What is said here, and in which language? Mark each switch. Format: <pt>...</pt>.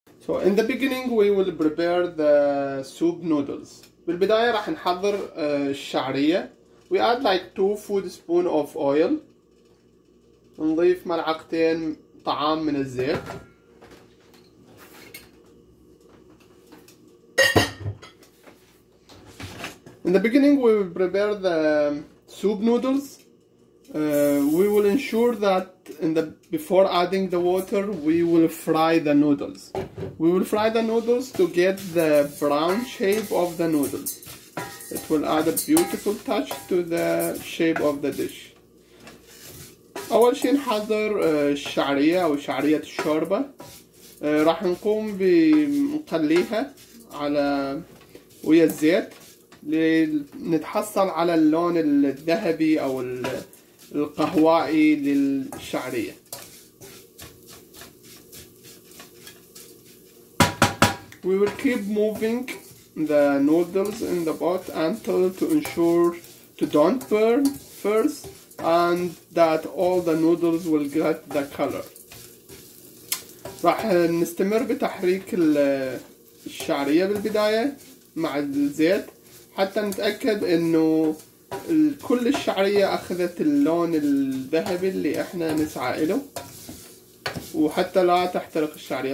<en>So in the beginning we will prepare the soup noodles.</en> <ar>بالبداية راح نحضر الشعرية.</ar> <en>We add like 2 food spoon of oil.</en> <ar>نضيف ملعقتين طعام من الزيت.</ar> <en>In the beginning we will prepare the soup noodles. We will ensure that before adding the water we will fry the noodles. We will fry the noodles to get the brown shape of the noodles. It will add a beautiful touch to the shape of the dish.</en> <ar>أول شيء نحضر الشعرية أو شعرية الشوربة. راح نقوم بنقليها على ويا الزيت لنتحصل على اللون الذهبي أو القهوائي للشعرية.</ar> <en>We will keep moving the noodles in the pot until to ensure to don't burn first. And that all the noodles will get the color.</en> <ar>راح نستمر بتحريك الشعرية بالبداية مع الزيت حتى نتأكد انه كل الشعرية اخذت اللون الذهبي اللي احنا نسعى له وحتى لا تحترق الشعرية.</ar>